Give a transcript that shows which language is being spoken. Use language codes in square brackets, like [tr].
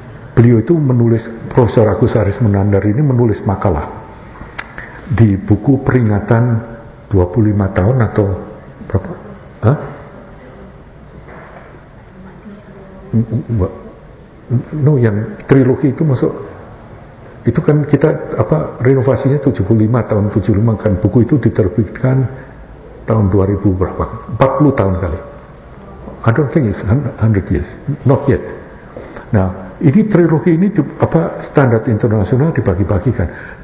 [id] Beliau itu menulis, Profesor Agus Aris Munandar ini menulis makalah di buku peringatan 25 tahun atau berapa? Hah? No, yang trilogi itu masuk, itu kan kita renovasinya 75, tahun 75 kan, buku itu diterbitkan tahun 2000 berapa? 40 tahun kali. [en] I don't think it's 100 years, not yet. Nah, [id] Ini trilogi ini standar internasional dibagi-bagikan.